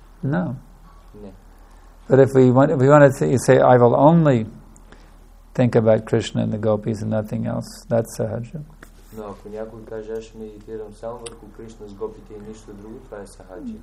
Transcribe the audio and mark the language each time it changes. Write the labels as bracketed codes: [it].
[en] No. [bg] Не. [en] But if we want to say, I will only think about Krishna and the gopis and nothing else, that's sahaja. [bg] Но ако някой каже, аз медитирам само върху Кришна с гопите и нищо друго, това е сахаджа.